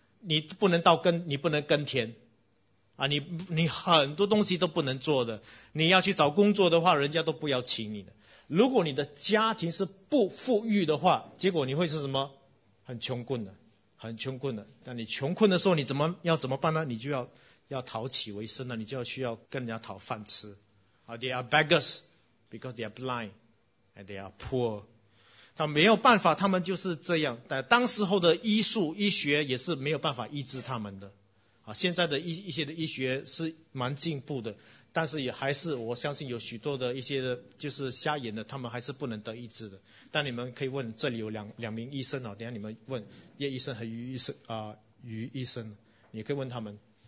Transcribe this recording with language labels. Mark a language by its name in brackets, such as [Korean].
[Chinese] 你不能耕田啊，你很多东西都不能做的，你要去找工作的话，人家都不要请你的。如果你的家庭是不富裕的话，结果你会是什么？很穷困的。那你穷困的时候，你怎么办呢？你就要讨乞为生了，你就要需要跟人家讨饭吃。 [English] They are beggars because they are blind and they are poor. [Chinese] 他没有办法，他们就是这样。但当时候的医学也是没有办法医治他们的。现在的一些的医学是蛮进步的，但是也还是我相信有许多的一些的就是瞎眼的，他们还是不能得医治的。但你们可以问，这里有两名医生，等一下你们问叶医生和余医生，你可以问他们。